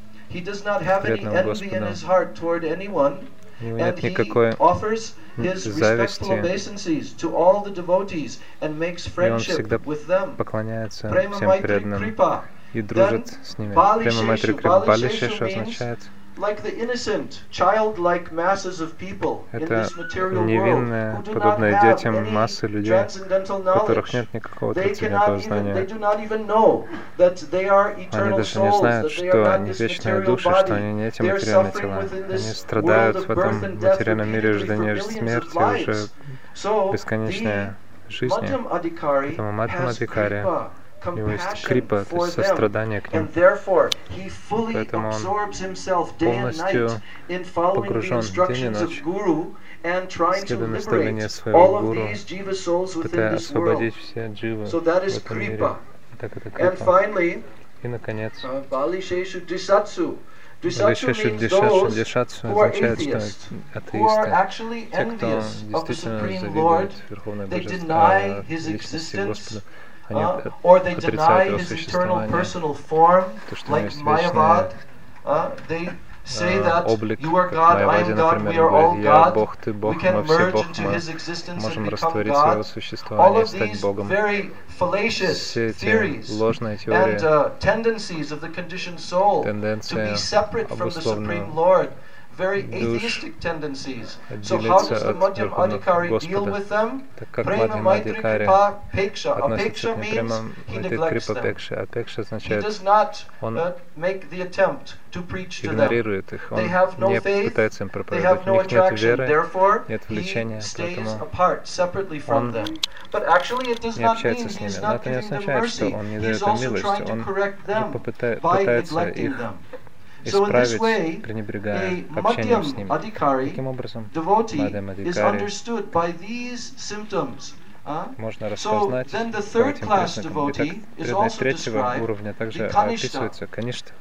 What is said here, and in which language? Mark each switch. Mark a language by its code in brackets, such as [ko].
[en] He does not have any envy in his heart toward anyone, and he offers his respectful obeisances to all the devotees and makes friendship with them. [ru] Поклоняется всем преданным и дружит с ними. Према Майтри Крипа. Бали Шешу означает [en] like the innocent, childlike masses of people in this material world, who do not have any transcendental knowledge. They do not even know that they are eternal souls, that they are not this material body. They are suffering within this world of birth and death, repeatedly for millions of lives. So the Madhyam Adhikari has Kripa. [ru] У него есть крипа, то есть сострадание к ним. И поэтому он полностью погружен день и ночь следуя наставления своего гуру, пытаясь освободить все дживы в этом мире. Так это крипа. И, наконец, Балишешу Дишатсу. Дишатсу означает, что атеисты, те, кто действительно завидует Верховное Божество, Личности Господа, [en] Or they deny his eternal personal form, like Mayavad. They say that you are God, I am God, we are all God. We can merge into his existence and become God. All of these very fallacious theories and tendencies of the conditioned soul to be separate from the Supreme Lord. Very atheistic tendencies. So how does the Madhyam Adhikari deal with them? Prema Maitri Kripa Peksha. Apeksha means he neglects them. Apeksha he does not make the attempt to preach to them. They have no faith, they have no attraction, therefore he stays apart, separately from them. But actually it does not mean he's not giving them mercy. He's also trying to correct them by neglecting them. [ru] Исправить, пренебрегая общением с ним. Таким образом, Мадьям Адхикари можно распознать по этим признакам. Итак, преданный третьего уровня также описывается Каништа.